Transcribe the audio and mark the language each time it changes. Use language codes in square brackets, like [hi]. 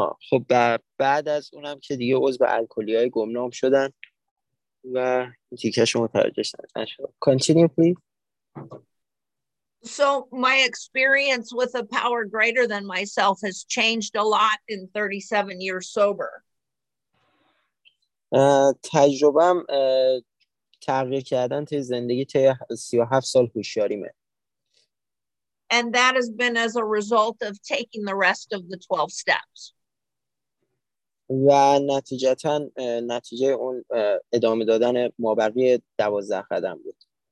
[fa] خب بعد از اونم که دیگه عضو الکلی‌های گمنام شدن و دیگه شما ترجیح دادن. [en] Continue, please. So my experience with a power greater than myself has changed a lot in 37 years sober. [fa] تجربم تغییر کردن توی زندگی توی 37 سال هوشیاریمه. [en] And that has been as a result of taking the rest of the 12 steps. [fa] و نتیجتاً نتیجه اون ادامه دادن مابقی 12 قدم بود.